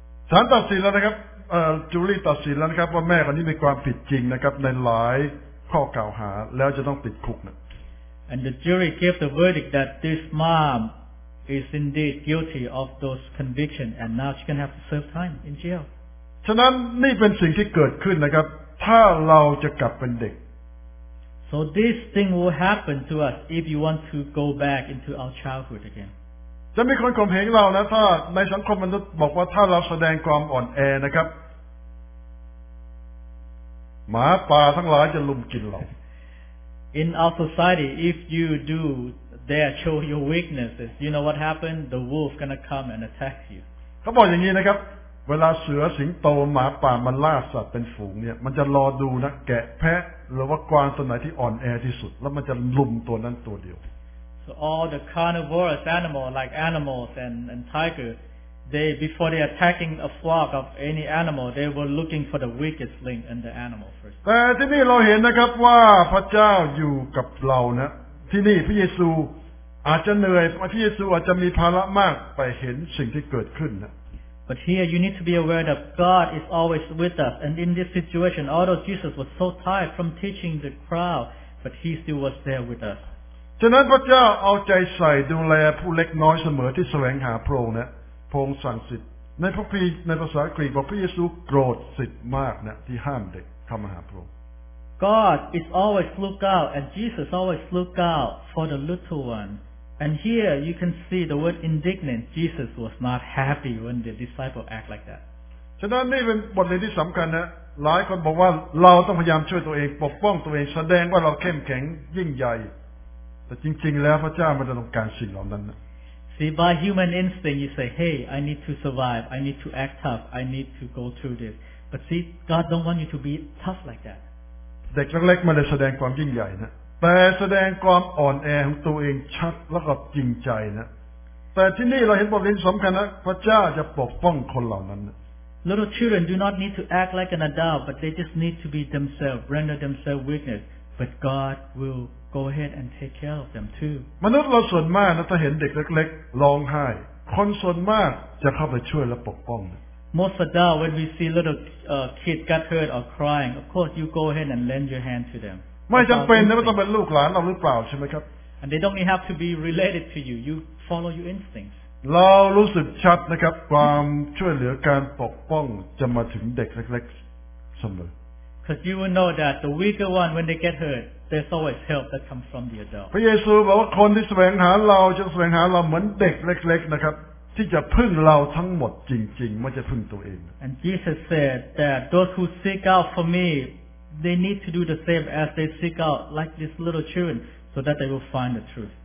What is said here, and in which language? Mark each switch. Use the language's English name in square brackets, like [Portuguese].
[Thai] ศาลตัดสินแล้วนะครับจูลี่ตัดสินแล้วนะครับว่าแม่คนนี้มีความผิดจริงนะครับในหลายข้อกล่าวหาแล้วจะต้องติดคุกนะ [English] And the jury gave the verdict that this mom is indeed guilty of those convictions, and now she's going to have to serve time in jail. [Thai] ฉะนั้นนี่เป็นสิ่งที่เกิดขึ้นนะครับถ้าเราจะกลับเป็นเด็ก [English] So this thing will happen to us if you want to go back into our childhood again. [Thai] จะมีคนข่มเหงเรานะถ้าในสังคมมนุษย์บอกว่าถ้าเราแสดงความอ่อนแอนะครับหมาป่าทั้งหลายจะลุมกินเรา [English] In our society, if you do dare show your weaknesses, you know what happened? The wolf gonna come and attack you. [Thai] เขาบอกอย่างนี้นะครับเวลาเสือสิงโตหมาป่ามันล่าสัตว์เป็นฝูงเนี่ยมันจะรอดูนะแกะแพะหรือว่ากวางตัวไหนที่อ่อนแอที่สุดแล้วมันจะลุมตัวนั้นตัวเดียว [English] So all the carnivorous animals like animals and tiger they before they attacking a flock of any animal they were looking for the weakest link in the animal first [Thai] แต่ที่นี่เราเห็นนะครับว่าพระเจ้าอยู่กับเรานะที่นี่พระเยซูอาจจะเหนื่อยพระเยซูอาจจะมีภาระมากไปเห็นสิ่งที่เกิดขึ้นนะ [English] But here you need to be aware that God is always with us and in this situation although Jesus was so tired from teaching the crowd but he still was there with us. [Thai] ฉะนั้นพระเจ้าเอาใจใส่ดูแลผู้เล็กน้อยเสมอที่แสวงหาพระองค์นะพระองค์สั่งสิทธิ์ในพระคัมภีร์ในภาษากรีกบอกพระเยซูโกรธสิทธิ์มากนะที่ห้ามเด็กเข้ามาหาพระองค์ [English] God is always look out and Jesus always look out for the little oneAnd here you can see the word indignant. Jesus was not happy when the disciple act like that. [Thai] ฉะนั้นนี่เป็นบทเรียนที่สำคัญนะหลายคนบอกว่าเราต้องพยายามช่วยตัวเองปกป้องตัวเองแสดงว่าเราเข้มแข็งยิ่งใหญ่แต่จริงๆแล้วพระเจ้าไม่ได้ต้องการสิ่งเหล่านั้นนะ [English] See by human instinct you say, "Hey, I need to survive. I need to act tough. I need to go through this." But see, God don't want you to be tough like that. [Thai] เด็กเล็กๆมาเลยแสดงความยิ่งใหญ่นะแต่แสดงความอ่อนแอของตัวเองชัดแล้วก็จริงใจนะแต่ที่นี่เราเห็นบทเรียนสำคัญนะพระเจ้าจะปกป้องคนเหล่านั้นนะ [English] Little children do not need to act like an adult but they just need to be themselves render themselves weakness but God will go ahead and take care of them too [Thai] มนุษย์เราส่วนมากนะถ้าเห็นเด็กเล็กๆร้องไห้คนส่วนมากจะเข้าไปช่วยและปกป้องนะ [English] Most adults when we see little kids get hurt or crying of course you go ahead and lend your hand to them [Thai] ไม่จำเป็นนะว่าต้องเป็นลูกหลานเราหรือเปล่าใช่ไหมครับ [English] And they don't have to be related to you. You follow your instincts. [Thai] เรารู้สึกชัดนะครับความช่วยเหลือการปกป้องจะมาถึงเด็กเล็กๆเสมอ [English] Because you will know that the weaker one when they get hurt, there's always help that comes from the adult. [Thai] พระเยซูบอกว่าคนที่แสวงหาเราจะแสวงหาเราเหมือนเด็กเล็กๆนะครับที่จะพึ่งเราทั้งหมดจริงๆไม่จะพึ่งตัวเอง [English] And Jesus said that those who seek out for meThey need to do the same as they seek out like these little children so that they will find the truth.